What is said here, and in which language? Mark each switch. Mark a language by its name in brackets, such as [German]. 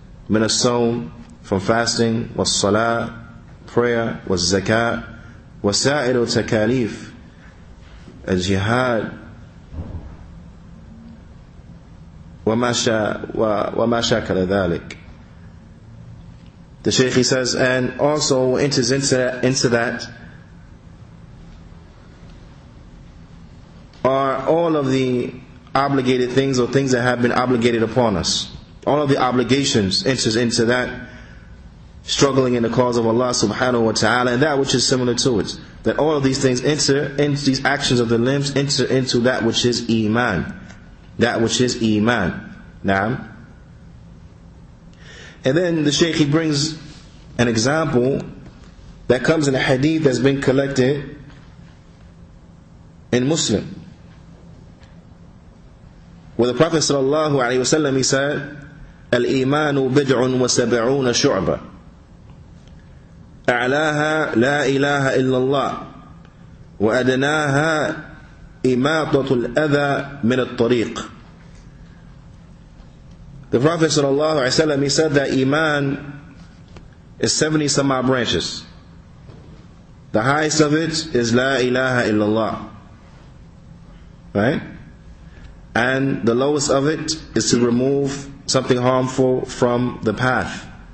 [Arabic] من الصوم, [English] from fasting, [Arabic] والصلاة, [English] prayer, [Arabic] والزكاة, وسائر التكاليف, الجهاد, وَمَا شَاكَلَ ذَلِكَ. [English] The Shaykh, he says, and also enters into that are all of the obligated things, or things that have been obligated upon us. All of the obligations enters into that, struggling in the cause of Allah subhanahu wa ta'ala, and that which is similar to it. That all of these things enter into, these actions of the limbs enter into that which is iman. That which is iman. Naam. And then the Shaykh, he brings an example that comes in a hadith that's been collected in Muslim. Where the Prophet sallallahu alaihi wasallam, he said, [Arabic] الإيمان بدع وسبعون شعبة أعلاها لا إله إلا الله وأدناها إماطة الأذى من الطريق. [English] The Prophet sallallahu alaihi wasallam, he said that iman is 70 some odd branches. The highest of it is [Arabic] لا إله إلا الله. [English] Right? And the lowest of it is to remove something harmful from the path.